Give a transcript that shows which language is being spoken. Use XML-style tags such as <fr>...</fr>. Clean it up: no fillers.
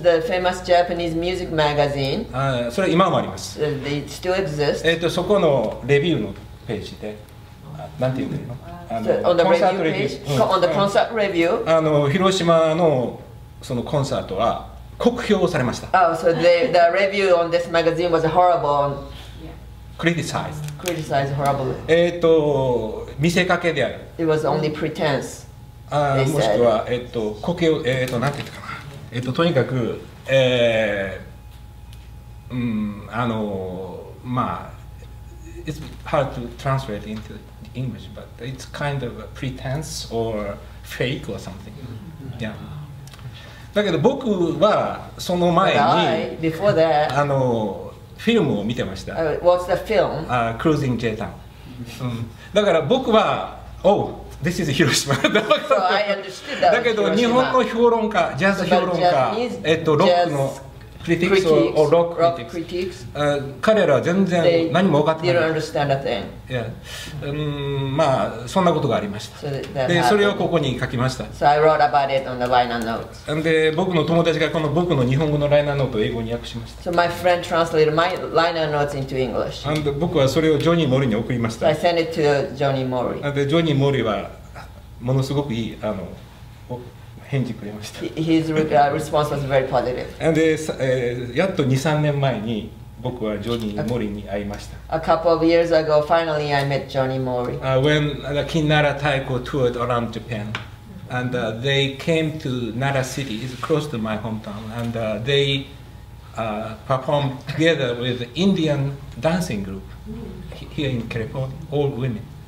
<en>So、the famous Japanese music magazine.</en> <ja>それは今もあります。</ja> <en>It still exists.</en> <ja>そこのレビューのページで、なんて言うんだろうの、</ja> <en>on the review page? On the concert review.</en> <ja>広島のそのコンサートは、酷評されました。</ja> <en>Oh, so the review on this magazine was horrible. Criticized. Criticized horribly.</en> <ja>見せかけである。</ja> <en>It was only pretense.</en> <ja>もしくは酷評なんて言ったかな。とにかく、</ja> <en>it's hard to translate into English, but it's kind of a pretense or fake or something.</en> <ja>Yeah. だけど僕はその前に、</ja> <en>well, before that,</en> <ja>フィルムを見てました。</ja> <en>What's the film? Cruising J Town.</en> <ja>だから僕は、</ja> <en>Oh, this is Hiroshima. So I understood that was Hiroshima.</en> <ja>だけど日本の評論家、ジャズ評論家、ロックのクリティクス、or</ja> <en>rock critics,</en> <ja>彼らは全然何も分かってない。</ja> <en>They don't understand a thing.</en> <ja>まあそんなことがありました。</ja> <en>So、</en> <ja>でそれをここに書きました。</ja> <en>So I wrote about it on the liner notes.</en> <ja>で僕の友達がこの僕の日本語のライナーノートを英語に訳しました。</ja> <en>So my friend translated my liner notes into English.</en> <ja>And 僕はそれをジョニー・モリに送りました。</ja> <en>So、I sent it to Johnny Mori.</en> <ja>でジョニー・モリはものすごくいい返事くれました。</ja> <en>His response was very positive.</en> <ja>And やっと 2-3 年前に僕はジョニー・モリに会いました。</ja> <en>A couple of years ago, finally I met Johnny Mori. When the King Nara Taiko toured around Japan, and they came to Nara City, it's close to my hometown, and they performed together with Indian dancing group here in California, all women.</en>